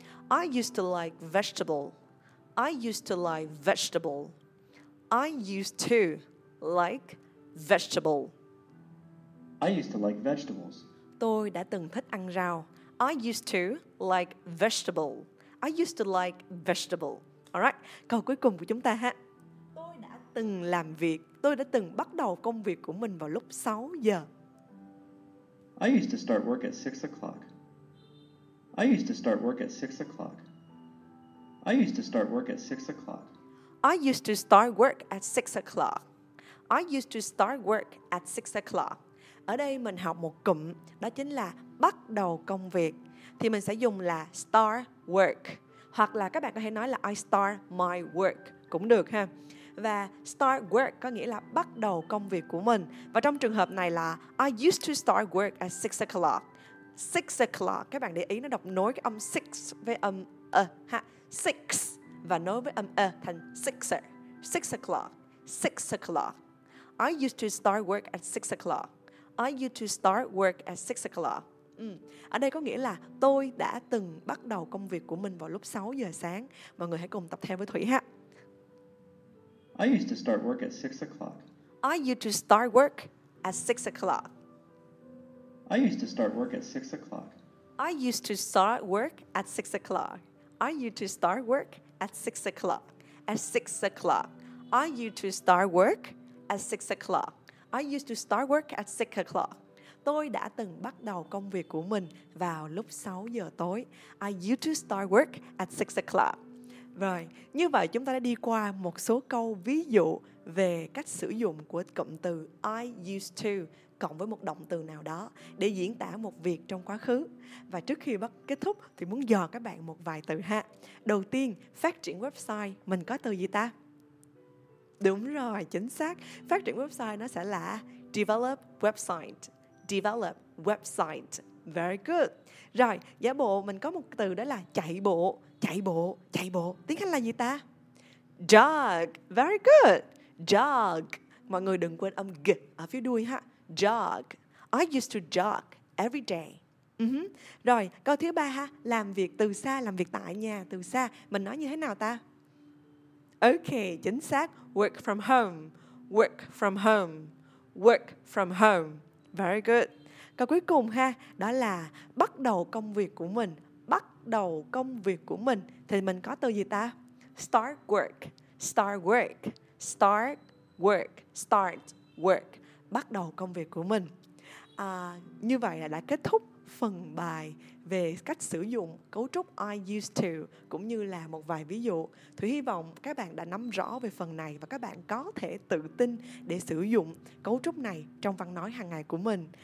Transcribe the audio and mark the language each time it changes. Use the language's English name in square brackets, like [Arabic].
[English] I used to like vegetable. I used to like vegetable. I used to like vegetable. I used to like vegetables. [Vietnamese] Tôi đã từng thích ăn rau. [English] I used to like vegetable. I used to like vegetable. All right. [Vietnamese] Câu cuối cùng của chúng ta ha. Tôi đã từng làm việc. Tôi đã từng bắt đầu công việc của mình vào lúc 6 giờ. [English] I used to start work at 6 o'clock. I used to start work at 6 o'clock. I used to start work at 6 o'clock. I used to start work at 6 o'clock. I used to start work at 6 o'clock. [Vietnamese] Ở đây mình học một cụm, đó chính là bắt đầu công việc. Thì mình sẽ dùng là start work. Hoặc là các bạn có thể nói là [English] I start my work [Vietnamese] cũng được ha. Và start work có nghĩa là bắt đầu công việc của mình. Và trong trường hợp này là [English] I used to start work at 6 o'clock. [Vietnamese] 6 o'clock, các bạn để ý nó đọc nối cái âm 6 với âm a ha. 6 và nối với âm a thành 6er. 6 o'clock. 6 o'clock. [English] I used to start work at 6 o'clock. I used to start work at 6 o'clock. [Vietnamese] Ở đây có nghĩa là tôi đã từng bắt đầu công việc của mình vào lúc 6 giờ sáng. Mọi người hãy cùng tập theo với Thủy ha. [English] I used to start work at 6 o'clock. I used to start work at 6 o'clock. I used to start work at 6 o'clock. I used to start work at 6 o'clock. I used to start work at 6 o'clock. At 6 o'clock. I used to start work at 6 o'clock. I used to start work at 6 o'clock. [Vietnamese] Tôi đã từng bắt đầu công việc của mình vào lúc 6 giờ tối. [English] I used to start work at 6 o'clock. [Vietnamese] Rồi, như vậy chúng ta đã đi qua một số câu ví dụ về cách sử dụng của cụm từ I used to cộng với một động từ nào đó để diễn tả một việc trong quá khứ. Và trước khi bắt kết thúc thì muốn dò các bạn một vài từ ha. Đầu tiên, phát triển website, mình có từ gì ta? Đúng rồi, chính xác. Phát triển website nó sẽ là develop website. Develop website. [English] Very good. [Vietnamese] Rồi, giả bộ mình có một từ đó là chạy bộ. Chạy bộ, chạy bộ. Tiếng Anh là gì ta? Jog. [English] Very good. [Vietnamese] Jog. Mọi người đừng quên âm g ở phía đuôi ha. Jog. [English] I used to jog every day. [Vietnamese] Rồi, câu thứ ba ha. Làm việc từ xa, làm việc tại nhà, từ xa. Mình nói như thế nào ta? Okay, chính xác. [English] Work from home. Work from home. Work from home. Very good. [Vietnamese] Câu cuối cùng ha. Đó là bắt đầu công việc của mình. Bắt đầu công việc của mình. Thì mình có từ gì ta? [English] Start work. Start work. Start work. Start work. [Vietnamese] bắt đầu công việc của mình. Như vậy là đã kết thúc phần bài về cách sử dụng cấu trúc I used to, cũng như là một vài ví dụ. Thủy hy vọng các bạn đã nắm rõ về phần này và các bạn có thể tự tin để sử dụng cấu trúc này trong văn nói hàng ngày của mình.